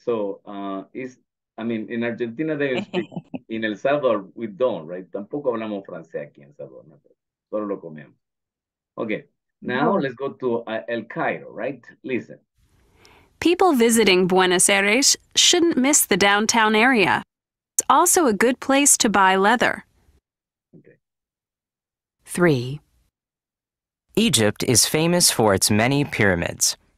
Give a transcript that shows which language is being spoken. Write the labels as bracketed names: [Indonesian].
[English] So, in Argentina, they speak, in El Salvador, we don't, right? [Spanish] Tampoco hablamos francés aquí en Salvador, no, solo lo comemos. [English] Okay, now let's go to El Cairo, right? Listen. People visiting Buenos Aires shouldn't miss the downtown area. It's also a good place to buy leather. Okay. 3. Egypt is famous for its many pyramids.